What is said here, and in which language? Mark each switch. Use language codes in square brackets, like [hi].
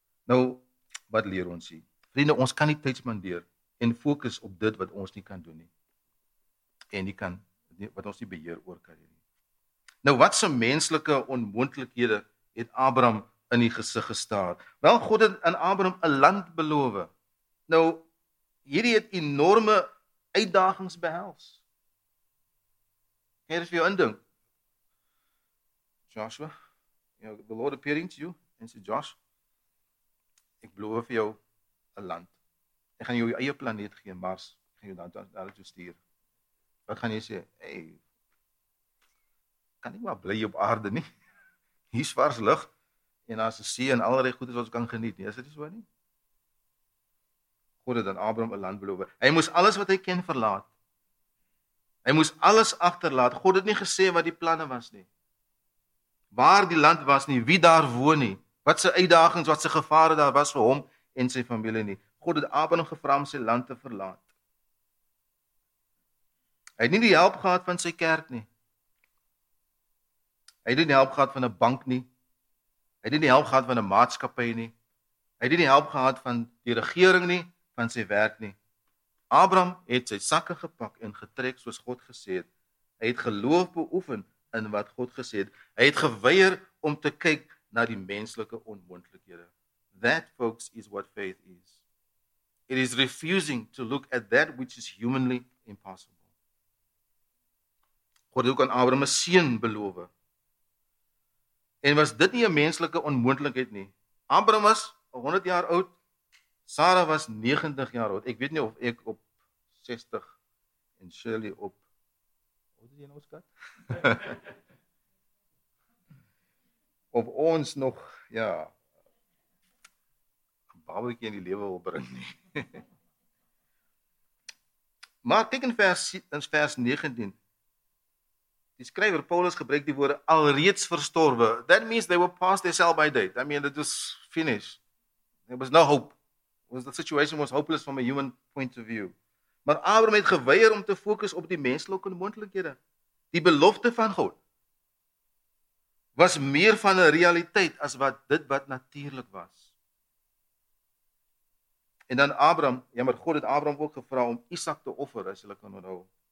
[af] Nou, wat leer ons hier? Vriende, ons kan nie tyd spandeer en fokus op dit wat ons nie kan doen nie. En nie kan, wat ons nie beheer oor kan doen nie. Nou, wat so menslike onmoontlikhede het Abraham in die gesig gestaar? Wel, God het aan Abraham 'n land beloof. Nou, hierdie het enorme uitdagings behels. Hier is vir jou indink. [en] Joshua, you know, the Lord appearing to you and said, Josh, [af] ek beloof vir jou 'n land. Ek gaan jou eie planeet gee, Mars, ek gaan jou dan daar toe stuur. Wat gaan jy sê? Hey, kan ek maar bly op aarde nie? Hier is vars lug en daar is 'n see en allerlei goedes wat ons kan geniet. Nie, is dit so nie? God het aan Abraham 'n land beloof. Hy moes alles wat hy ken verlaat. Hy moes alles agterlaat. God het nie gesê wat die planne was nie. Waar die land was nie, wie daar woon nie, wat sy uitdagings, wat sy gevare daar was vir hom en sy familie nie. God het Abraham gevra om sy land te verlaat. Hy het nie die help gehad van sy kerk nie. Hy het nie die help gehad van 'n bank nie. Hy het nie die help gehad van 'n maatskappy nie. Hy het nie die help gehad van die regering nie, van sy werk nie. Abraham het sy sakke gepak en getrek soos God gesê het. Hy het geloof beoefen in wat God gesê het. Hy het geweier om te kyk na die menslike onmoontlikhede. [en] That, folks, is what faith is. It is refusing to look at that which is humanly impossible. [af] God het ook aan Abraham 'n seun beloof. En was dit nie 'n menslike onmoontlikheid nie? Abraham was 100 jaar oud. Sarah was 90 jaar oud. Ek weet nie of ek op 60 en Shirley op... Wat is jy nou, skat? Of ons nog, ja... babbeltjie in die lewe wil bring nie. Maar kyk in vers 19. Die skrywer Paulus gebruik die woorde alreeds verstorwe. [en] That means they were past their sell-by date. I mean, it was finished. There was no hope. The situation was hopeless from a human point of view. [af] Maar Abraham het geweier om te fokus op die menslike moontlikhede. Die belofte van God was meer van 'n realiteit as wat dit wat natuurlik was. En dan Abraham, jammer, God het Abraham ook gevra om Isak te offer, as hulle kan onthou.